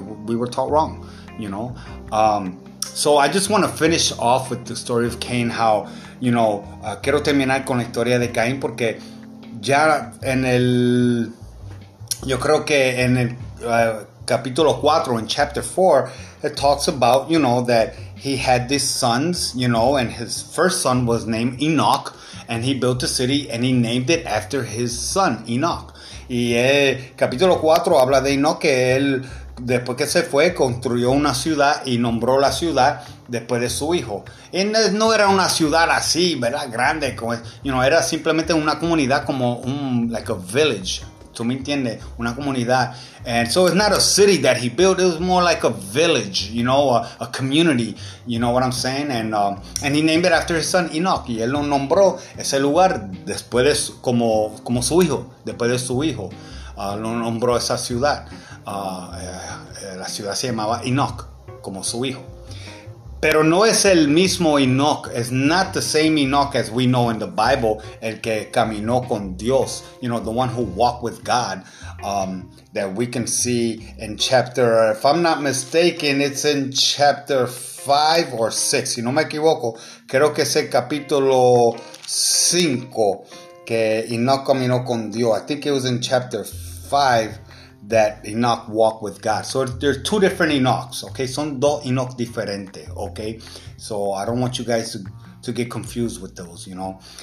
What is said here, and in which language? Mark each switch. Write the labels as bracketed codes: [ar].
[en] We were taught wrong, you know. So I just want to finish off with the story of Cain, how, you know, [es] quiero terminar con la historia de Cain, porque ya en el, yo creo que en el capítulo 4, [en] in chapter 4, it talks about, you know, that he had these sons, you know, and his first son was named Enoch, and he built a city, and he named it after his son, Enoch. [es] Y el capítulo 4 habla de Enoch, que él, después que se fue, construyó una ciudad y nombró la ciudad después de su hijo. Y no era una ciudad así, ¿verdad? Grande, como, you know, era simplemente una comunidad como un, [en] like a village, [es] ¿tú me entiendes? Una comunidad. [en] And so it's not a city that he built, it was more like a village, you know, a community, you know what I'm saying? And he named it after his son Enoch, [es] y él lo nombró ese lugar después de su, como su hijo, después de su hijo. Lo nombró esa ciudad. La ciudad se llamaba Enoch, como su hijo. Pero no es el mismo Enoch. [en] It's not the same Enoch as we know in the Bible. [es] El que caminó con Dios. [en] You know, the one who walked with God. That we can see in chapter, if I'm not mistaken, it's in chapter 5 or 6. [es] Si no me equivoco, creo que es el capítulo 5. Que Enoch caminó con Dios. [en] I think it was in chapter 5 that Enoch walked with God. So there's two different Enochs, okay? [es] Son dos Enoch diferentes, okay? [en] So I don't want you guys to get confused with those, you know?